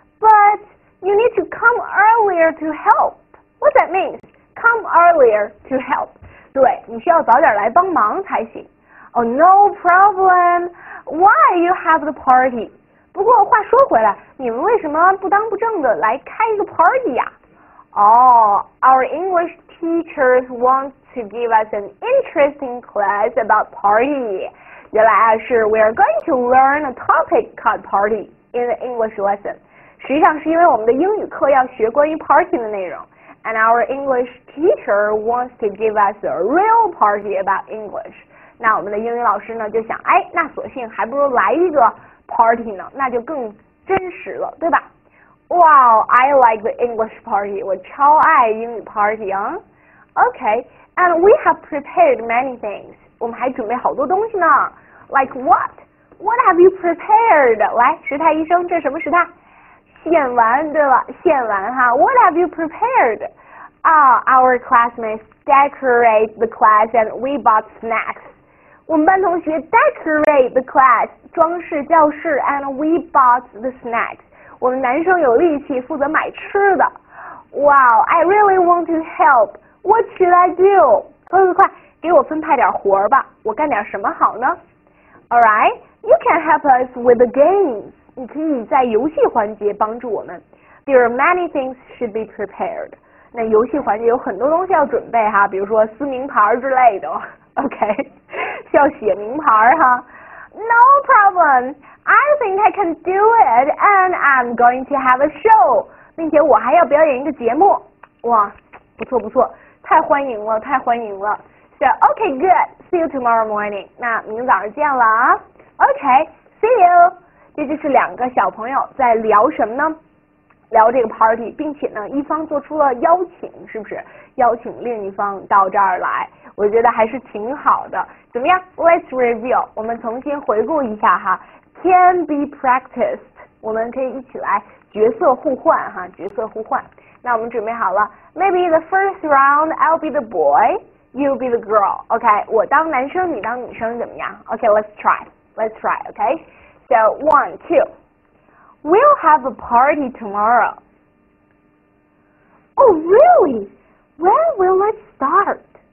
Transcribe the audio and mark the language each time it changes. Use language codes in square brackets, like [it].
[en] But you need to come earlier to help. What that means? Come earlier to help. [zh] 对，你需要早点来帮忙才行。 [en] Oh, no problem. Why you have the party? [zh] 不过话说回来，你们为什么不当不正的来开一个 party 呀？ [en] Our English teachers want to give us an interesting class about party. [zh] 原来啊， [en] 是 we are going to learn a topic called party in the English lesson. [zh] 实际上是因为我们的英语课要学关于 party 的内容。 [en] And our English teacher wants to give us a real party about English. [zh] 那我们的英语老师呢，就想，哎，那索性还不如来一个 party 呢，那就更真实了，对吧？ [en] Wow, I like the English party. [zh] 我超爱英语 party 啊。 [en] Okay, and we have prepared many things. [zh] 我们还准备好多东西呢。 [en] Like what? What have you prepared? [zh] 来，时态医生，这什么时态？献丸，对吧？献丸哈。 [en] What have you prepared? Our classmates decorate the class and we bought snacks. [zh] 我们班同学 [en] decorate the class, [zh] 装饰教室 [en] and we bought the snacks. [zh] 我们男生有力气，负责买吃的。 [en] Wow, I really want to help. What should I do? [zh] 快快快，给我分派点活儿吧，我干点什么好呢？ [en] All right, you can help us with the games. [zh] 你可以在游戏环节帮助我们。 [en] There are many things should be prepared. [zh] 那游戏环节有很多东西要准备哈，比如说撕名牌之类的。 OK, 需要写名牌哈。 [en] No problem. I think I can do it, and I'm going to have a show. [zh] 并且我还要表演一个节目。哇，不错不错，太欢迎了，太欢迎了。 [en] So, okay, good. See you tomorrow morning. [zh] 那明早上见了啊。 [en] Okay, see you. [zh] 这就是两个小朋友在聊什么呢？聊这个 party, 并且呢，一方做出了邀请，是不是？邀请另一方到这儿来，我觉得还是挺好的。怎么样 ？ [en] Let's review. [zh] 我们重新回顾一下哈。 [en] Can be practiced. [zh] 我们可以一起来角色互换哈，角色互换。那我们准备好了。 [en] Maybe the first round, I'll be the boy, you'll be the girl. [zh] OK, 我当男生，你当女生，怎么样 ？ [en] OK, let's try. Let's try. OK. So one, two. We'll have a party tomorrow. Oh, really? When will it start?